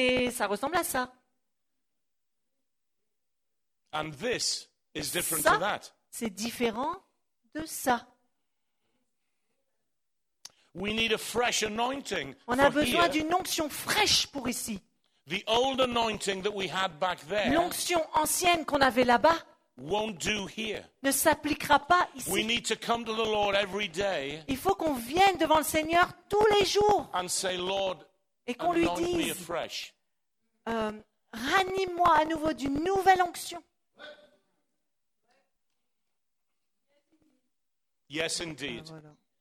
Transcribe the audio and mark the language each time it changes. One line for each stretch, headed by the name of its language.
French: Ça ressemble à ça.
English: And this is different
French: ça,
English: to that.
French: C'est différent de ça.
English: We need a fresh anointing
French: on a besoin d'une onction fraîche pour ici.
English: The old anointing that we had back there
French: l'onction ancienne qu'on avait là-bas
English: won't do here.
French: Ne s'appliquera pas ici.
English: We need to come to the Lord every day.
French: Il faut qu'on vienne devant le Seigneur tous les jours
English: and say, Lord,
French: et qu'on lui dise ranime-moi à nouveau d'une nouvelle onction.
English: Yes, indeed.
French: Ah, voilà.